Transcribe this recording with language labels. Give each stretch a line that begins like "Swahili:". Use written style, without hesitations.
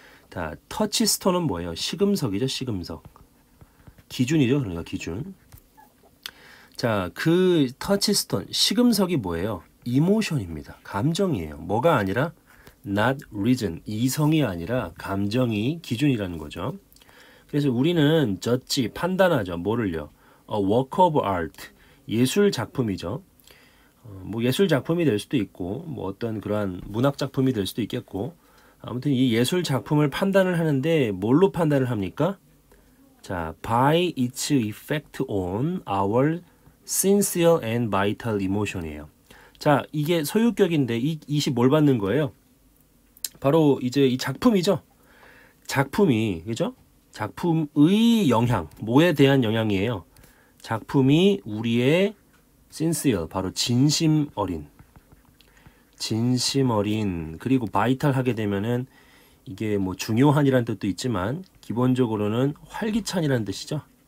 Korean: 자, 터치스톤은 뭐예요? 시금석이죠. 시금석. 기준이죠. 그러니까 기준. 자, 그 터치스톤, 시금석이 뭐예요? 이모션입니다. 감정이에요. 뭐가 아니라?
English: Not reason,
Korean: 이성이 아니라 감정이 기준이라는 거죠. 그래서 우리는 judge, 판단하죠. 뭐를요?
English: A work of art, 예술 작품이죠.
Korean: 뭐 예술 작품이 될 수도 있고 뭐 어떤 그러한 문학 작품이 될 수도 있겠고 아무튼 이 예술 작품을 판단을 하는데 뭘로 판단을 합니까?
English: 자, by its effect on our sincere and vital emotion이에요.
Korean: 자, 이게 소유격인데 이 이시 뭘 받는 거예요? 바로 이제 이 작품이죠. 작품이 그죠? 작품의 영향, 뭐에 대한 영향이에요. 작품이 우리의 sincere, 바로 진심 어린, 진심 어린, 그리고 vital 하게 되면은 이게 뭐 중요한이란 뜻도 있지만 기본적으로는 활기찬이란 뜻이죠.